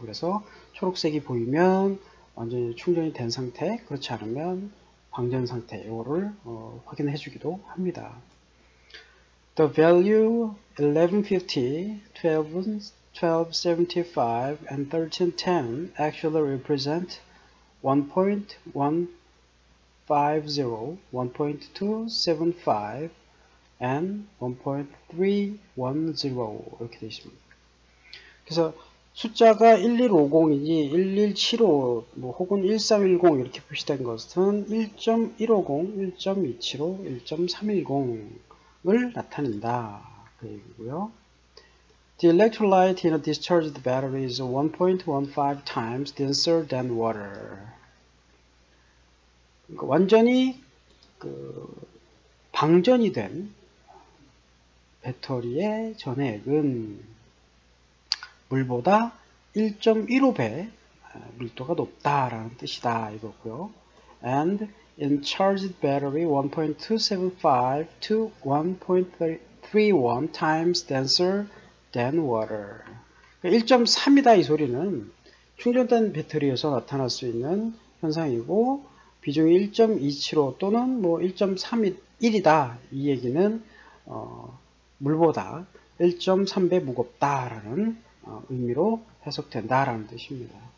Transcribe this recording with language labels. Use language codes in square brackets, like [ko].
[ko] 그래서 초록색이 보이면 완전히 충전이 된 상태, 그렇지 않으면 방전 상태, 이거를 확인해 주기도 합니다. [en] The value 1150, 1275, and 1310 actually represent 1.150, 1.275, and 1.310 [ko] 이렇게 되어 있습니다. 그래서 숫자가 1150이니 1175 뭐 혹은 1310 이렇게 표시된 것은 1.150, 1.275, 1.310을 나타낸다 그 얘기고요. [en] The electrolyte in a discharged battery is 1.15 times denser than water. [ko] 그러니까 완전히 방전이 된 배터리의 전해액은 물보다 1.15배 밀도가 높다라는 뜻이다 이거고요. [en] And in charged battery 1.275 to 1.31 times denser than water. [ko] 1.3이다 이 소리는 충전된 배터리에서 나타날 수 있는 현상이고, 비중이 1.27로 또는 뭐 1.31이다 이 얘기는 물보다 1.3배 무겁다라는 의미로 해석된다라는 뜻입니다.